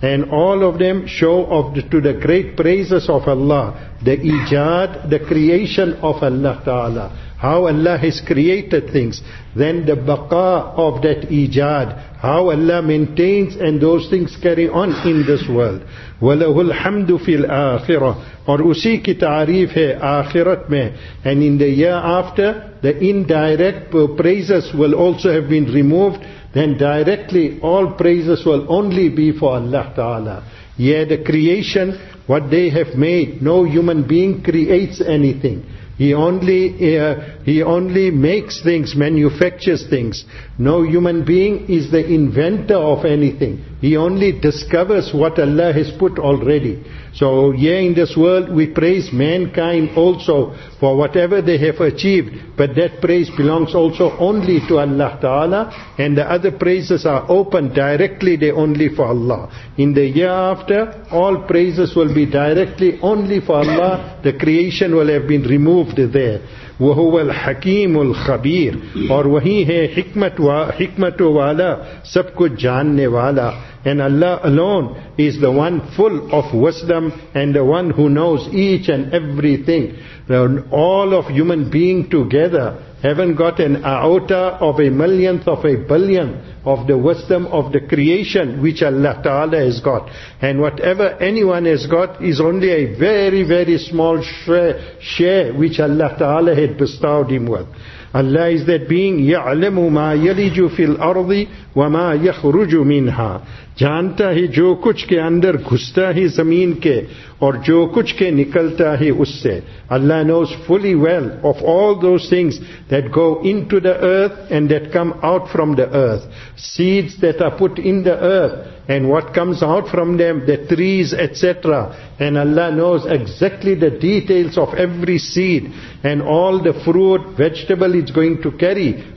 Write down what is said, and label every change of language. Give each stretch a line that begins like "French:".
English: And all of them show of to the great praises of Allah. The Ijad, the creation of Allah Ta'ala. How Allah has created things. Then the Baqa of that Ijad. How Allah maintains and those things carry on in this world.
Arabic: وَلَهُ الْحَمْدُ فِي الْآخِرَةِ
Urdu: اور اسی کی تعریف ہے آخرت میں.
English: And in the year after, the indirect praises will also have been removed. Then directly all praises will only be for Allah Ta'ala. Yeah, the creation, what they have made, no human being creates anything. He only makes things, manufactures things. No human being is the inventor of anything. He only discovers what Allah has put already. So, yeah, in this world we praise mankind also for whatever they have achieved. But that praise belongs also only to Allah Ta'ala. And the other praises are open directly, they only for Allah. In the year after, all praises will be directly only for Allah. The creation will have been removed there.
Arabic: وَهُوَ الْحَكِيمُ الْخَبِيرُ
Urdu: اور وہی ہے حکمت والا سب کچھ جاننے والا.
English: And Allah alone is the one full of wisdom and the one who knows each and everything. All of human being together, haven't got an iota of a millionth of a billionth of the wisdom of the creation which Allah Ta'ala has got. And whatever anyone has got is only a very, very small share which Allah Ta'ala had bestowed him with. Allah is that being,
Arabic: يَعْلَمُ مَا يَلِجُ فِي الْأَرْضِ وَمَا يَخْرُجُ مِنْهَا.
Urdu: جانتا ہے جو کچھ کے اندر گھستا ہے زمین کے اور جو کچھ کے نکلتا ہے اس سے.
English: Allah knows fully well of all those things that go into the earth and that come out from the earth. Seeds that are put in the earth and what comes out from them, the trees, etc. And Allah knows exactly the details of every seed and all the fruit, vegetable it's going to carry.